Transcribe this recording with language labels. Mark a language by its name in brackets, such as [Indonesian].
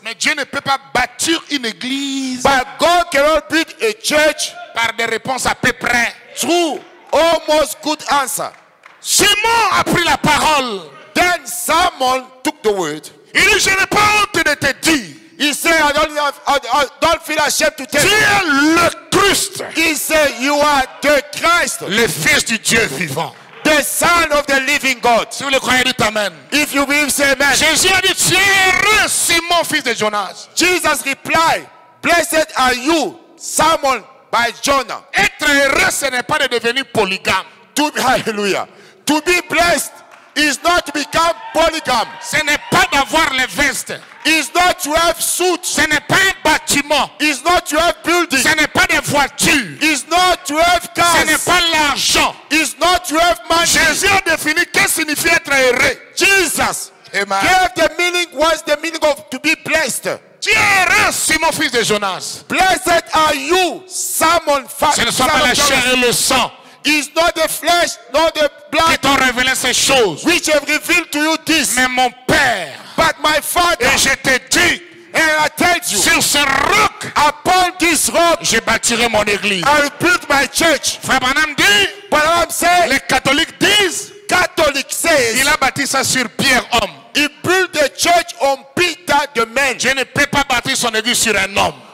[French] Mais Dieu ne peut pas bâtir une église. [English] But God cannot build a church [French] par des réponses à peu près. [English] True, almost good answer. [French] Simon a pris la parole. [English] Then Simon took the word. [French] Il dit, je n'ai pas honte de te dire. [English] He said, I don't feel ashamed to tell [French] you. Tu es le Christ. [English] He said, you are the Christ. [French] Le fils du Dieu vivant. [English] The Son of the Living God. [French] Si vous le croyez, dites amen. [English] If you believe, say amen. [French] Jésus a dit, tu es heureux, Simon, fils de Jonas. [English] Jesus replied, blessed are you, Simon, by Jonah. [French] Être heureux, ce n'est pas de devenir polygame. [English] To be, hallelujah. To be blessed is not to become polygame. [French] Ce n'est pas d'avoir les vestes. [English] Is not to have suits. [French] Ce n'est pas un bâtiment. [English] Is not to have buildings. [French] Ce n'est pas des voitures. [English] Is not to have cars. [French] Ce n'est pas l'argent. [English] Is not to have money. [French] Jésus a défini qu'est-ce que signifie être heureux. [English] Jesus. Amen. Gave the meaning. What's the meaning of to be blessed? [French] Tu es heureux, Simon fils de Jonas. [English] Blessed are you, Simon. [French] Ce ne sont pas la chair et le sang. [English] Is not the flesh, nor the blood. [French] Qui t'ont révélé ces choses? [English] Which have revealed to you this. [French] Mais mon père. [English] But my father, [French] et je te dis, [English] and I tell you, [French] sur ce roc, [English] upon this rock, [French] je bâtirai mon église. [English] I will build my church. [French] Frère Branham dit, [English] but I'm saying, [French] les catholiques disent, [English] Catholic says, [French] il a bâti ça sur Pierre homme. [English] He built the church on Peter the man. [French] Je ne peux pas bâtir son église sur un homme.